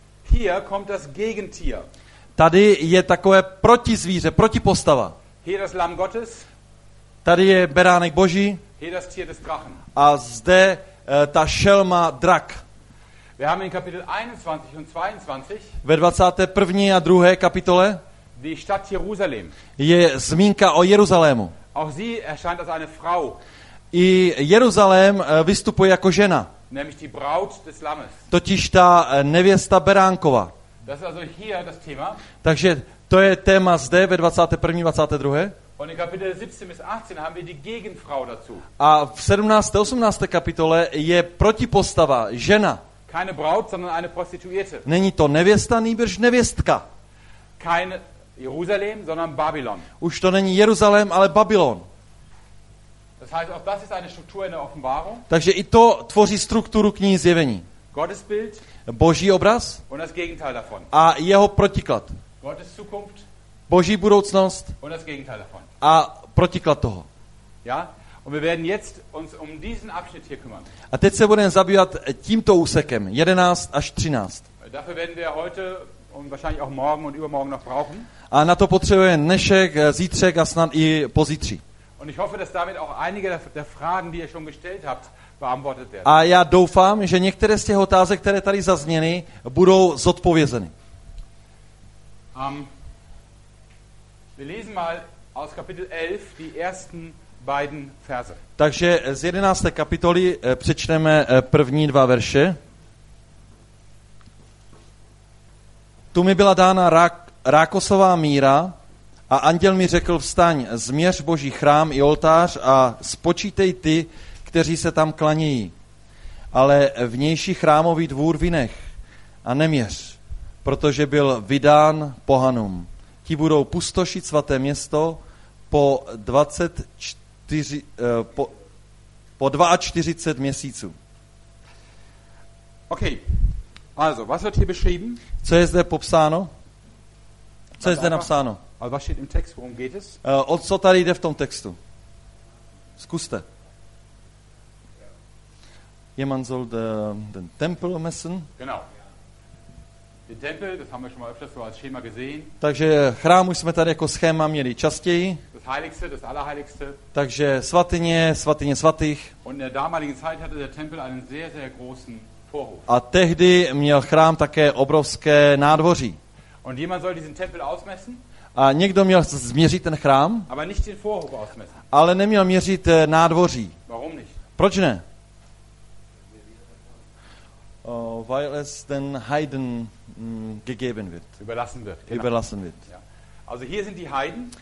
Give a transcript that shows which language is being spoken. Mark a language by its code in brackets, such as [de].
[de] Hier kommt das Gegentier. [cs] Tady je takové protizvíře, protipostava. [de] Hier das Lamm Gottes. [cs] Tady je beránek Boží. [de] Hier das Tier des Drachen. [cs] A zde ta šelma drak. [de] Wir haben in Kapitel 21 und 22. [cs] Ve 21. a 2. kapitole. [de] Die Stadt Jerusalem. [cs] Je zmínka o Jeruzalému. [de] Auch sie erscheint als eine Frau. [cs] I Jeruzalém vystupuje jako žena. [de] Nämlich die Braut des Lammes. [cs] Totiž ta nevěsta Beránkova. [de] Das ist also hier das Thema. [cs] Takže to je téma zde ve 21. 22. [de] Und in Kapitel 17 bis 18 haben wir die Gegenfrau dazu. [cs] A v 17. 18. kapitole je protipostava žena. [de] Keine Braut, sondern eine Prostituierte. [cs] Není to nevěsta, nýbrž nevěstka. [de] Kein Jerusalem, sondern Babylon. [cs] Už to není Jeruzalém, ale Babylon. [de] Das heißt, auch das ist eine Struktur in der Offenbarung. [cs] Takže i to tvoří strukturu knihy zjevení. [de] Gottes Bild. [cs] Boží obraz. [de] Und das Gegenteil davon. [cs] A jeho protiklad. [de] Gottes Zukunft. [cs] Boží budoucnost. [de] Und das Gegenteil davon. [cs] A protiklad toho. [de] Ja? Und wir werden jetzt uns um diesen Abschnitt hier kümmern. [cs] A teď se budeme zabývat tímto úsekem, 11 až 13. [de] Dafür werden wir heute und wahrscheinlich auch morgen und übermorgen noch brauchen. [cs] A na to potřebujeme dnešek, zítřek a snad i pozítří. [de] Und ich hoffe, dass damit auch einige der Fragen, die ihr schon gestellt habt, beantwortet werden. [cs] A já doufám, že některé z těch otázek, které tady zazněly, budou zodpovězeny. [de] Wir lesen mal aus Kapitel 11 die ersten beiden Verse. [cs] Takže z 11. kapitoly přečteme první dva verše. Tu mi byla dána rákosová míra. A anděl mi řekl, vstaň, změř Boží chrám i oltář a spočítej ty, kteří se tam klanějí. Ale vnější chrámový dvůr vynech a neměř, protože byl vydán pohanům. Ti budou pustošit svaté město po 42 měsíců. [de] Ok, also, was wird hier beschrieben? [cs] Co je zde popsáno? Co je zde napsáno? [de] Ale was steht im Text, worum geht es? [cs] O co tady jde v tom textu? Zkuste. [de] Jemand soll den Tempel messen. Genau. Den Tempel, das haben wir schon mal öfters so als Schema gesehen. [cs] Takže chrám už jsme tady jako schéma měli častěji. [de] Das Heiligste, das Allerheiligste. [cs] Takže svatyně, svatyně svatých. [de] Und in der damaligen Zeit hatte der Tempel einen sehr, sehr großen Vorhof. [cs] A tehdy měl chrám také obrovské nádvoří. [de] Und jemand soll diesen Tempel ausmessen? [cs] A někdo měl změřit ten chrám, ale neměl měřit nádvoří. Proč ne? [de] Weil es den Heiden gegeben wird. Überlassen wird. Genau. Überlassen wird. Also hier sind die Heiden.